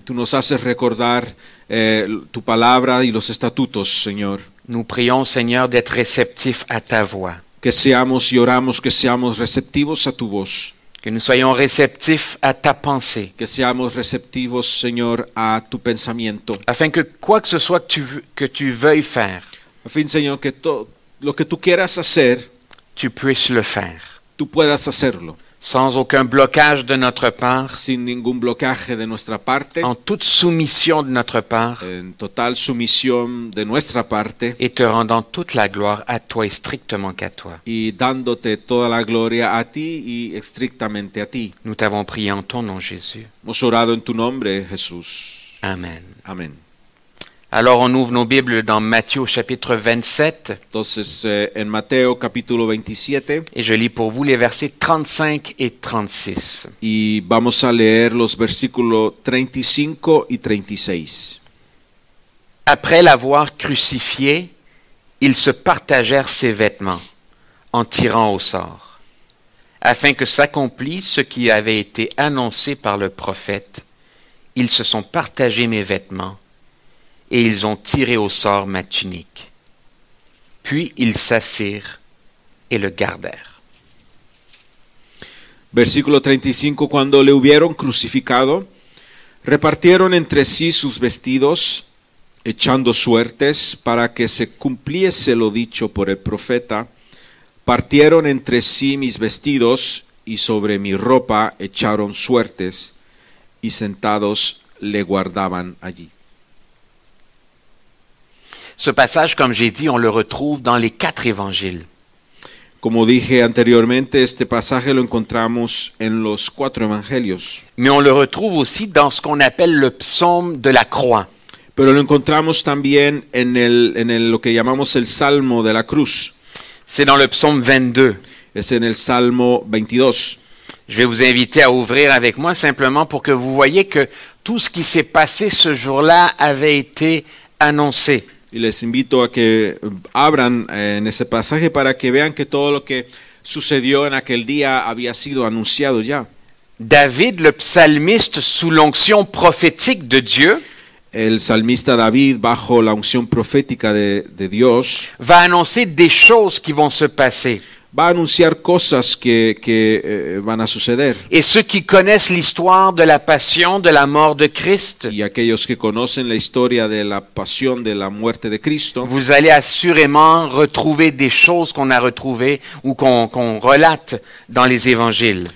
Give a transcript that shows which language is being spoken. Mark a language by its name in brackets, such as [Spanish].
[Spanish] Tú nos haces recordar tu palabra y los estatutos, Señor. [French] Nous prions, Seigneur, d'être réceptifs à ta voix. [Spanish] Que seamos y oramos que seamos receptivos a tu voz. [French] Que nous soyons réceptifs à ta pensée. [Spanish] Que seamos receptivos, Señor, a tu pensamiento. [French] Afin que quoi que ce soit que tu veuilles faire. [Spanish] Afin, Señor, que lo que tu quieras hacer. [French] Tu puisses le faire. [Spanish] Tú puedas hacerlo. [French] Sans aucun blocage de notre part. [Spanish] Sin ningún blocaje de nuestra parte. [French] En toute soumission de notre part. [Spanish] En total sumisión de nuestra parte. [French] Et te rendant toute la gloire à toi et strictement qu'à toi. [Spanish] Y dándote toda la gloria a ti y estrictamente a ti. [French] Nous t'avons prié en ton nom, Jésus. [Spanish] Hemos orado en tu nombre, Jesús. Amen. Amen. [French] Alors on ouvre nos Bibles dans Matthieu chapitre 27. [Spanish] Entonces, en Mateo capítulo 27. [French] Et je lis pour vous les versets 35 et 36. [Spanish] Y vamos a leer los versículos 35 y 36. [French] Après l'avoir crucifié, ils se partagèrent ses vêtements en tirant au sort, afin que s'accomplisse ce qui avait été annoncé par le prophète. Ils se sont partagés mes vêtements. Et ils ont tiré au sort ma tunique. Puis ils s'assirent et le gardèrent. [Spanish] Versículo 35, cuando le hubieron crucificado, repartieron entre sí sus vestidos, echando suertes para que se cumpliese lo dicho por el profeta. Partieron entre sí mis vestidos y sobre mi ropa echaron suertes y sentados le guardaban allí. [French] Ce passage, comme j'ai dit, on le retrouve dans les quatre évangiles. [Spanish] Como dije anteriormente, este pasaje lo encontramos en los cuatro evangelios. [French] Mais on le retrouve aussi dans ce qu'on appelle le psaume de la croix. [Spanish] Pero lo encontramos también en el lo que llamamos el salmo de la cruz. [French] C'est dans le psaume 22. [Spanish] Es en el salmo 22. [French] Je vais vous inviter à ouvrir avec moi simplement pour que vous voyez que tout ce qui s'est passé ce jour-là avait été annoncé. [Spanish] Y les invito a que abran en ese pasaje para que vean que todo lo que sucedió en aquel día había sido anunciado ya. [French] David, le psalmiste sous l'onction prophétique de Dieu, [Spanish] el salmista David bajo la unción profética de Dios, va a anunciar [French] des choses qui vont se passer. [Spanish] Va a anunciar cosas que van a suceder. [French] Et ceux qui connaissent l'histoire de la passion de la mort de Christ, [Spanish] y aquellos que conocen la historia de la pasión de la muerte de Cristo, [French] vous allez assurément retrouver des choses qu'on a retrouvées ou qu'on relate dans les évangiles.